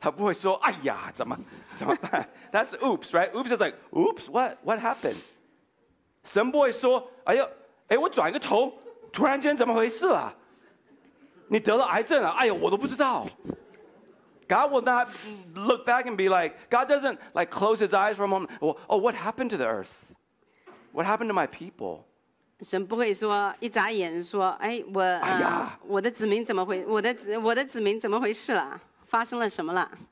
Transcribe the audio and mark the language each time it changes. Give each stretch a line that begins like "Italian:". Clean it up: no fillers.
Chinese: 其实他们当时说的话呢，是神永远不会说哦，我对不起，我犯错了。他不会说哎呀，怎么办？
English: That's oops, right? Oops is like oops. What happened?
Chinese: 神不会说哎呀，哎，我转一个头，突然间怎么回事啊？你得了癌症啊？哎呀，我都不知道。
English: God will not look back and be like, God doesn't like close his eyes for a moment. Oh, what happened to the earth? What happened to my people?
Chinese: 神不会说一眨眼说，哎，我的子民怎么回事了？发生了什么了？